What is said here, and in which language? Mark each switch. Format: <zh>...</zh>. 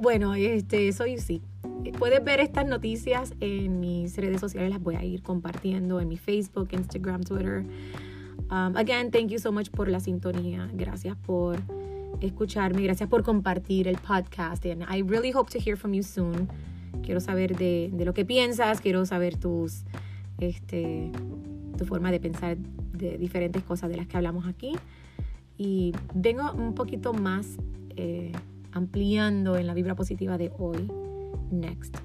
<es>Bueno, eso y sí. Puedes ver estas noticias en mis redes sociales, las voy a ir compartiendo en mi Facebook, Instagram, Twitter.</es> <en>Again, thank you so much</en> <es>por la sintonía. Gracias por escucharme. Gracias por compartir el podcast.</es> <en>And I really hope to hear from you soon.</en> <es>Quiero saber de lo que piensas. Quiero saber tus, tu forma de pensar de diferentes cosas de las que hablamos aquí. Y vengo un poquito más ampliando en la vibra positiva de hoy.</es> <en>Next.</en>